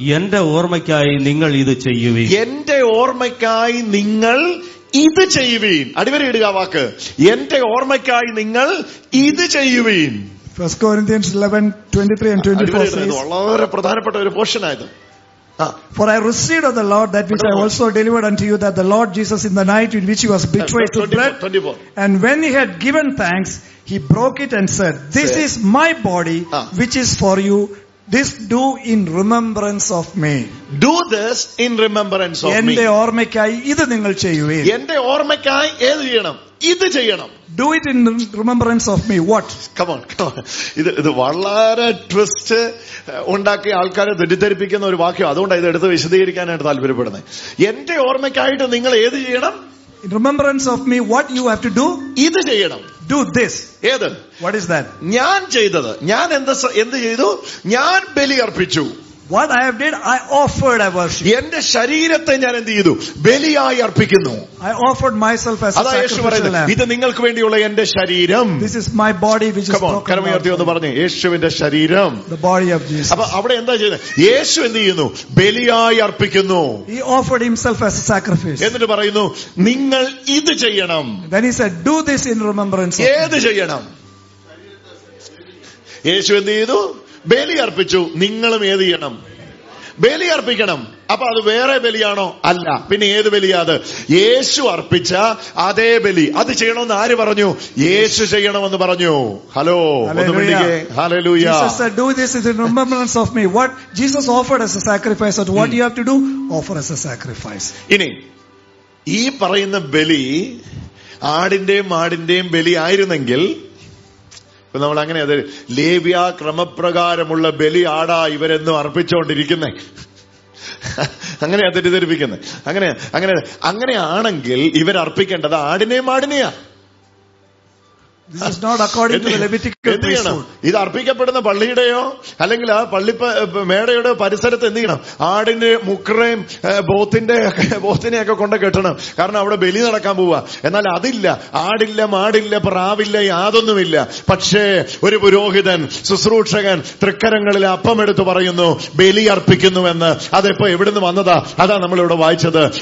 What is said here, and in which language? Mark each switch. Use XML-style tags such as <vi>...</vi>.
<ml>എന്റെ ഓർമ്മയ്ക്കായി നിങ്ങൾ ഇത് ചെയ്യുവീൻ. അടിവരയിടുക വാക്ക്, എന്റെ ഓർമ്മയ്ക്കായി നിങ്ങൾ ഇത് ചെയ്യുവീൻ.</ml> <en>1 Corinthians 11:23-24</en> <ml>വളരെ പ്രധാനപ്പെട്ട ഒരു പോർഷൻ ആയത്.</ml> <en>For I received of the Lord that which I also delivered unto you, that the Lord Jesus in the night in which he was betrayed took bread, and when he had given thanks, he broke it and said, This is my body which is for you. This do in remembrance of me.</en> <ml>എന്റെ ഓർമ്മയ്ക്കായി ഇത് നിങ്ങൾ ചെയ്യുവേ. എന്റെ ഓർമ്മയ്ക്കായി ഏത് ചെയ്യണം? ഇത് ചെയ്യണം.</ml> <en>Do it in remembrance of me. What? Come on.</en> <ml>ഇത് വളരെ ട്വിസ്റ്റ് ഉണ്ടാക്കി ആൾക്കാരെ തെറ്റിദ്ധരിപ്പിക്കുന്ന ഒരു വാക്യം. അതുകൊണ്ടാണ് ഇത് എടുത്ത് വിശദീകരിക്കാനായിട്ട് താല്പര്യപ്പെടുന്നത്. എന്റെ ഓർമ്മയ്ക്കായിട്ട് നിങ്ങൾ ഏത് ചെയ്യണം?</ml> <en>In remembrance of me, what you have to do?</en> <ml>ഇത് ചെയ്യണം.</ml> <en>Do this.</en> <ml>ഏത്?</ml> <en>What is that?</en> <ml>ഞാൻ എന്ത് ചെയ്തു? ഞാൻ ബലി അർപ്പിച്ചു.</ml> <en>What I have did, I offered a worship.</en> <ml>എന്റെ ശരീരത്തെ ഞാൻ എന്ത് ചെയ്തു? ബലിയായി അർപ്പിക്കുന്നു.</ml> <en>I offered myself as a sacrifice.</en> <ml>യേശു പറയുന്നു, ഇത് നിങ്ങൾക്ക് വേണ്ടിയുള്ള എന്റെ ശരീരം.</ml> <en>This is my body which is broken.</en> <ml>കരം ഉയർത്തി ഒന്ന് പറഞ്ഞു, യേശുവിന്റെ ശരീരം.</ml> <en>The body of Jesus.</en> <ml>അപ്പോൾ അവിടെ എന്താ ചെയ്യുന്നത്? യേശു എന്ത് ചെയ്യുന്നു? ബലിയായി അർപ്പിക്കുന്നു.</ml> <en>He offered himself as a sacrifice.</en> <ml>എന്നിട്ട് പറയുന്നു, നിങ്ങൾ ഇത് ചെയ്യണം.</ml> <en>Then he said, do this in remembrance of.</en> <ml>ഏത് ചെയ്യണം? യേശു എന്ത് ചെയ്തു? ബലി അർപ്പിച്ചു. നിങ്ങളും ഏത് ചെയ്യണം? ബലി അർപ്പിക്കണം. അപ്പൊ അത് വേറെ ബലിയാണോ? അല്ല. പിന്നെ ഏത് ബലിയാ? അത് യേശു അർപ്പിച്ച അതേ ബലി. അത് ചെയ്യണമെന്ന് ആര് പറഞ്ഞു? യേശു ചെയ്യണമെന്ന് പറഞ്ഞു. Hello, hallelujah.</ml> <en>Jesus said, do this in remembrance of me. What Jesus offered as a sacrifice, what you have to do, offer as a sacrifice.</en> <ml>ഇനി ഈ പറയുന്ന ബലി ആടിന്റെയും മാടിന്റെയും ബലി ആയിരുന്നെങ്കിൽ, ഇപ്പൊ നമ്മൾ അങ്ങനെ അത് ലേവ്യ ക്രമപ്രകാരമുള്ള ബലി ആടാ ഇവരെന്നും അർപ്പിച്ചുകൊണ്ടിരിക്കുന്നേ, അങ്ങനെ തെറ്റിദ്ധരിപ്പിക്കുന്നത്. അങ്ങനെയാണെങ്കിൽ ഇവരർപ്പിക്കേണ്ടത് ആടിനെയും ആടിനെയാ.</ml> <en>This is not according to the Levitical priesthood.</en> <ml>ചെയ്യണം. ഇത് അർപ്പിക്കപ്പെടുന്ന പള്ളിയുടെയോ അല്ലെങ്കിൽ ആ പള്ളി മേടയുടെ പരിസരത്ത് എന്ത് ചെയ്യണം? ആടിന്റെ മുക്രയും ബോത്തിനെയൊക്കെ കൊണ്ട് കെട്ടണം. കാരണം അവിടെ ബലി നടക്കാൻ പോവുക. എന്നാൽ അതില്ല, ആടില്ല, മാടില്ല, പ്രാവില്ല, യാതൊന്നുമില്ല. പക്ഷേ ഒരു പുരോഹിതൻ, ശുശ്രൂഷകൻ തൃക്കരങ്ങളിൽ അപ്പമെടുത്ത് പറയുന്നു, ബലി അർപ്പിക്കുന്നുവെന്ന്. അതിപ്പോ എവിടുന്ന് വന്നതാ? അതാ നമ്മളിവിടെ വായിച്ചത്.</ml>